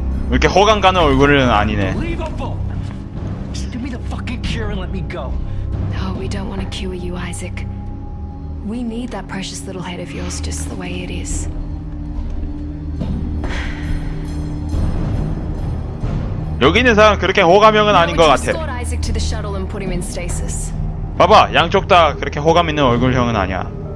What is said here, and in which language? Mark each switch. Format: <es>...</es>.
<ko>이렇게 호감 가는 얼굴은 아니네.</ko> <en>Just give me the fucking cure and let me go. No, we don't want to cure you, Isaac. We need that precious little head of yours just the way it is.</en> <ko>여기 있는 사람 그렇게 호감형은 아닌 것 같아. 봐봐, 양쪽 다 그렇게 호감 있는 얼굴형은 아니야.</ko>